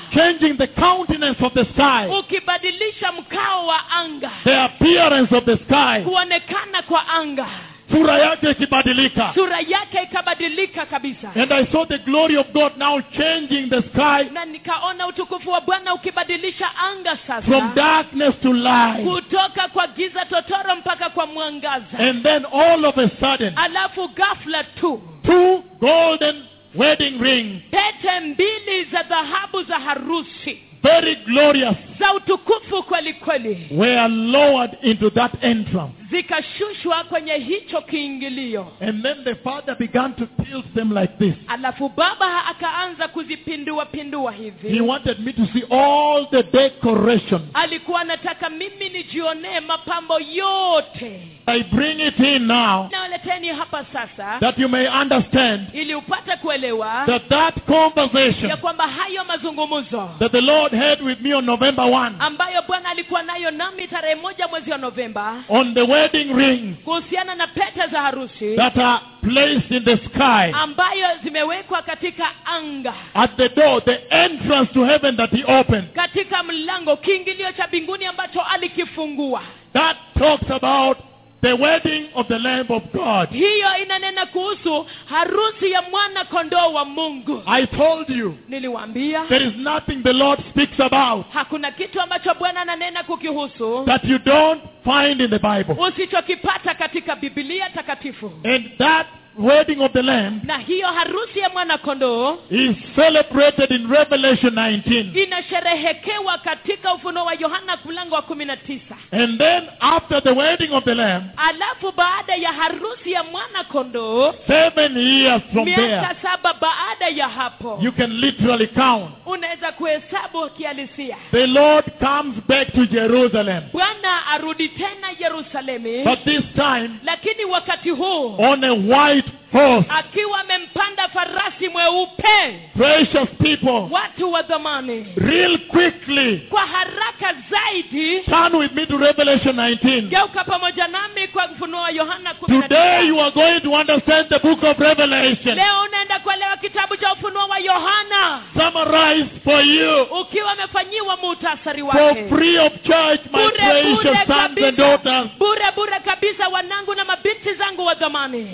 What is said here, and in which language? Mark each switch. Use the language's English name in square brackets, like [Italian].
[English] Changing the countenance of the sky. [Swahili] Ukibadilisha mkao wa anga. [English] The appearance of the sky. [Swahili] Kuonekana kwa anga. Sura yake ikibadilika. Sura yake ikabadilika kabisa. [English] And I saw the glory of God now changing the sky. [Swahili] Na nikaona utukufu wa Bwana ukibadilisha anga sasa. [English] From darkness to light. [Swahili] Kutoka kwa giza totoro mpaka kwa mwangaza. [English] And then all of a sudden. [Swahili] Alafu ghafla tu. [English] Two golden wedding rings. [Swahili] Pete mbili za dhahabu za harusi. [English] Very glorious. [Swahili] Za utukufu kweli kweli. [English] Were lowered into that entrance. [Swahili] Zikashushwa kwenye hicho kiingilio. [English] And then the father began to tilt them like this. [Swahili] Alafu baba akaanza kuzipindua pindua hivi. [English] He wanted me to see all the decoration. [Swahili] Alikuwa anataka mimi nijione mapambo yote. [English] I bring it in now. [Swahili] Naleteni hapa sasa. [English] That you may understand. [Swahili] Ili upate kuelewa. [English] That conversation. [Swahili] Ya kwamba hayo mazungumzo. [English] That the Lord had with me on November 1. [Swahili] Ambayo Bwana alikuwa nayo nami tarehe 1 mwezi wa November. [English] On the wedding ring. [Swahili] Kuhusiana na pete za harusi. [English] That are placed in the sky. [Swahili] Ambayo zimewekwa katika anga. [English] At the door, the entrance to heaven that he opened. [Swahili] Katika mlango kiingilio cha mbinguni ambacho alikifungua. [English] That talks about the wedding of the Lamb of God. [Swahili] Hiyo inanena kuhusu harusi ya mwana kondoo wa Mungu. [English] I told you. [Swahili] Niliwaambia. [English] There is nothing the Lord speaks about. [Swahili] Hakuna kitu ambacho Bwana ananena kukihusu. [English] That you don't find in the Bible. [Swahili] Usichokipata katika Biblia takatifu. [English] And that wedding of the Lamb. [Swahili] Na hiyo harusi ya mwana kondoo. [English] Is celebrated in Revelation 19. [Swahili] Inasherehekewa katika ufunuo wa Yohana mlango wa 19. [English] And then after the wedding of the Lamb. [Swahili] Alafu baada ya harusi ya mwana kondoo. [English] 7 years from there. [Swahili] Miaka saba baada ya hapo. [English] You can literally count. [Swahili] Unaweza kuhesabu kihalisia. [English] The Lord comes back to Jerusalem. [Swahili] Bwana arudi tena Yerusalemu. [English] But this time. [Swahili] Lakini wakati huu. [English] On a white horse. [Swahili] Akiwa amempanda farasi mweupe. [English] Precious people. [Swahili] Watu wa zamani. [English] Real quickly. [Swahili] Kwa haraka zaidi. [English] Turn with me to Revelation 19. [Swahili] Geuka pamoja nami kwa ufunuo wa Yohana 19. [English] Today you are going to understand the book of Revelation. [Swahili] Leo unaenda kuelewa kitabu cha ufunuo wa Yohana. [English] Summarize for you. [Swahili] Ukiwa amefanyiwa muhtasari wake. [English] For free of charge, my [Swahili] bure, [English] precious sons and daughters. [Swahili] Bure bure kabisa wanangu na mabinti zangu wa zamani.